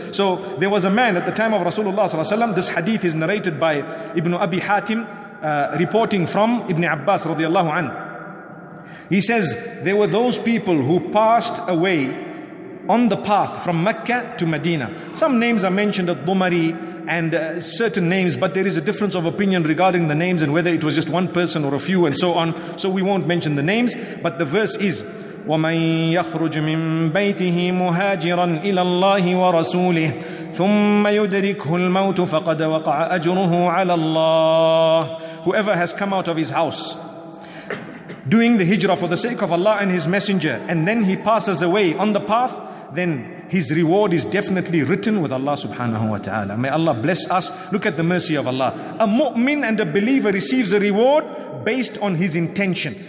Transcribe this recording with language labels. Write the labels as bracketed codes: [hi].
[en] So there was a man at the time of Rasulullah sallallahu alaihi wasallam. This hadith is narrated by Ibn Abi Hatim, reporting from Ibn Abbas radiallahu anhu. He says there were those people who passed away on the path from Mecca to Medina. Some names are mentioned at Dhumari and certain names, but there is a difference of opinion regarding the names and whether it was just one person or a few and so on. So we won't mention the names, but the verse is, [ar] وَمَنْ يَخْرُجْ مِنْ بَيْتِهِ مُهَاجِرًا إِلَى اللَّهِ وَرَسُولِهِ ثُمَّ يُدْرِكْهُ الْمَوْتُ فَقَدْ وَقَعَ أَجْرُهُ عَلَى اللَّهِ. [en] Whoever has come out of his house doing the hijrah for the sake of Allah and his messenger, and then he passes away on the path, then his reward is definitely written with Allah subhanahu wa ta'ala. May Allah bless us. Look at the mercy of Allah. A mu'min and a believer receives a reward based on his intention.